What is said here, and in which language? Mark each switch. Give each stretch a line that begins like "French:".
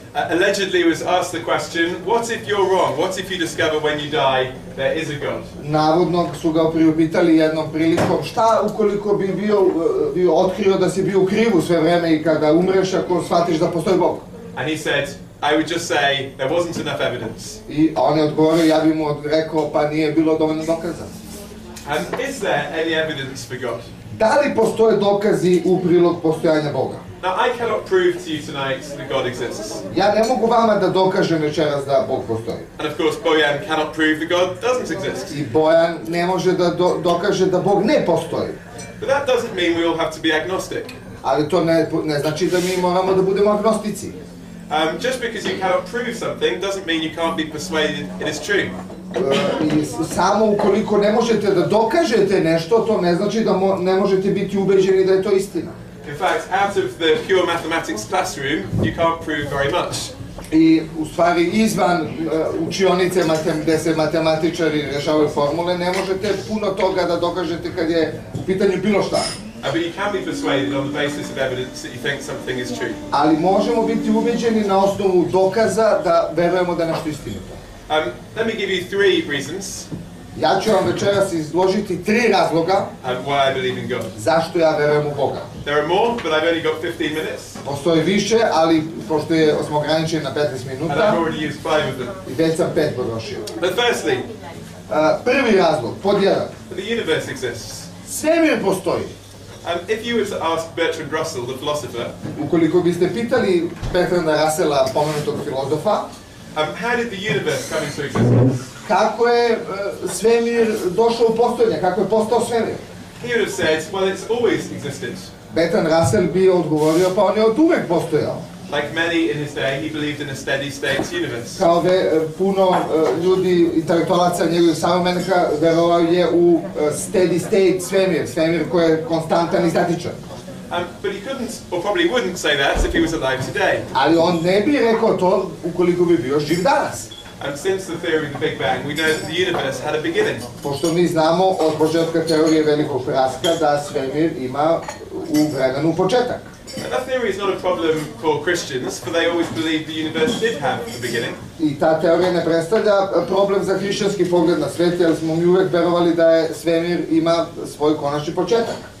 English: Allegedly was asked the question, what if you're wrong? What if you discover when you die there is a God?
Serbian: Navodno su ga priupitali jednom prilikom, šta ukoliko bi bio otkrio da si bio u krivu sve vrijeme i kada umreš ako shvatiš da postoji Bog?
English: And he said, I would just say there wasn't enough evidence.
Serbian: I on je odgovorio, ja bih mu rekao, pa nije bilo dovoljno dokaza.
English: And is there any evidence for God?
Serbian: Da li postoje dokazi u prilog postojanja Boga?
English: Now I cannot prove to you tonight that God exists.
Serbian: Ja ne mogu vama da dokažem večeras da Bog postoji.
English: And of course Bojan cannot prove that God doesn't exist.
Serbian: I Bojan ne može da dokaže da Bog ne postoji.
English: But that doesn't mean we all have to be agnostic.
Serbian: Ali to ne znači da mi moramo da budemo agnostici.
English: Just because you cannot prove something doesn't mean you can't be persuaded it is true.
Serbian: Samo ukoliko ne možete da dokažete nešto, to ne znači da ne možete biti ubeđeni da je to istina.
English: In fact, out of the pure mathematics classroom, you can't prove very much.
Serbian: I u stvari izvan učionice gdje se matematičari rešavaju formule, ne možete puno toga da dokažete kad je u pitanju bilo šta.
English: But you can be persuaded on the basis of evidence that you think something is true.
Serbian: Ali možemo biti ubeđeni na osnovu dokaza da vjerujemo da nešto istinito.
English: Let me give you three reasons.
Serbian: Ja ću vam večeras izložiti tri razloga
English: why I believe in God.
Serbian: Zašto ja vjerujem u Boga.
English: There are more, but I've only got 15 minutes.
Serbian: Postoji više, ali pošto je smo ograničeni na 15 minuta.
English: And I've already used five of them.
Serbian: I već sam pet potrošio.
English: But firstly,
Serbian: prvi razlog, pod jedan.
English: The universe exists.
Serbian: Svemir postoji.
English: If you were to ask Bertrand Russell, the philosopher,
Serbian: ukoliko biste pitali Bertranda Russella, pomenutog filozofa,
English: how did the universe come into existence?
Serbian: Kako je svemir došao u postojanje? Kako je postao svemir?
English: He would have said, well, it's always existed.
Serbian: Bertrand Russell bi odgovorio, pa on je od uvek postojao.
English: Like many in his day, he believed in a steady state universe.
Serbian: Kao puno ljudi, intelektualaca njegovog savremenika, verovao je u steady state svemir, svemir koji je konstantan i statičan.
English: But he couldn't, or probably wouldn't say that if he was alive today.
Serbian: Ali on ne bi rekao to ukoliko bi bio živ danas.
English: And since the theory of the Big Bang, we know that the universe had a beginning.
Serbian: Pošto mi znamo od početka teorije velikog praska da svemir ima u vremenu početak.
English: And that theory is not a problem for Christians, for they always believed the universe did have a beginning.
Serbian: I ta teorija ne predstavlja problem za hrišćanski pogled na svet, jer smo mi uvek verovali da je svemir ima svoj konačni početak.